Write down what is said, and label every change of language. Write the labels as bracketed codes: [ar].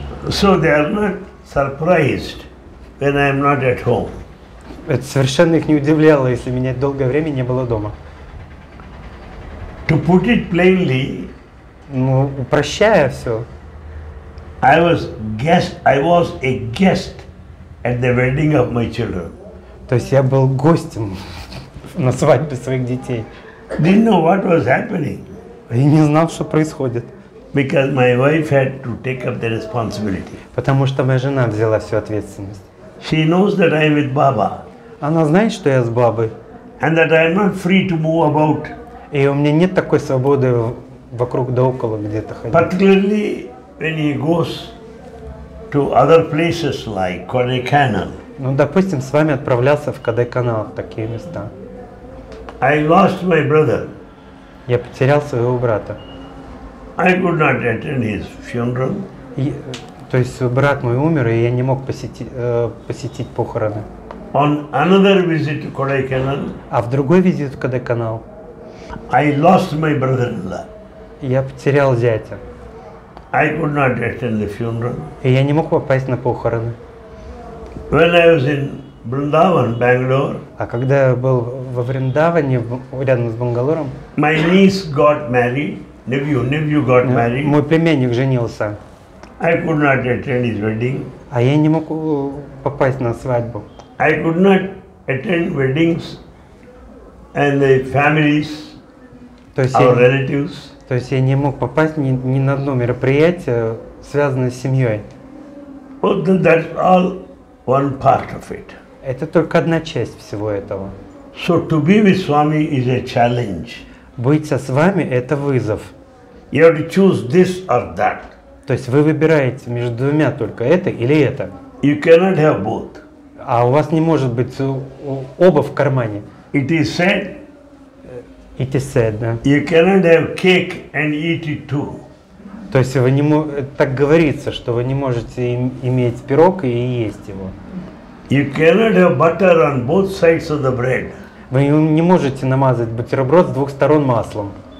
[en] So they are not surprised when I am not at home. [ru] Это совершенно их не удивляло, если меня долгое время не было дома. [en] To put it plainly, [ru] ну, упрощая все. [en] I was a guest at the wedding of my children. [ru] То есть я был гостем на свадьбе своих детей. [en] Didn't know what was happening. [ru] И не знал, что происходит. [en] Because my wife had to take up the responsibility. [ru] Потому что моя жена взяла всю ответственность. [en] She knows that I'm with Baba. [ru] Она знает, что я с бабой. [en] And that I'm not free to move about. [ru] И у меня нет такой свободы вокруг да около где-то ходить. [en] Particularly when he goes to other places like Kodaikanal. [ru] Ну, допустим, с вами отправлялся в Кодайканал, в такие места. [en] I lost my brother. [ru] Я потерял своего брата. [en] I could not attend his funeral. [ru] То есть брат мой умер, и я не мог посетить похороны. [en] On another visit to Kodaikanal. [ru] А в другой визит в Кодайканал. [en] I lost my brother-in-law. [ru] Я потерял зятя. [en] I could not attend the funeral. [ru] И я не мог попасть на похороны. [en] When I was in Vrindavan, Bangalore. [ru] А когда я был во Вриндаване, рядом с Бангалором. [en] My niece got married. Nephew got married. [ru] Мой племянник женился. [en] I could not attend his wedding. [ru] А я не мог попасть на свадьбу. [en] I could not attend weddings and the families, our relatives. [ru] То есть я не мог попасть ни на одно мероприятие, связанное с семьей. [en] But that's all one part of it. [ru] Это только одна часть всего этого. [en] So to be with Swami is a challenge. [ru] Быть со Свами – это вызов. [en] You have to choose this or that. [ru] То есть вы выбираете между двумя только это или это. [en] You cannot have both. [ru] А у вас не может быть оба в кармане. [en] It is said. It is said, да. You cannot have cake and eat it too. [ru] То есть вы не так говорится, что вы не можете иметь пирог и есть его. [en] You cannot have butter on both sides of the bread. [ru] Вы не можете намазать бутерброд с двух сторон маслом.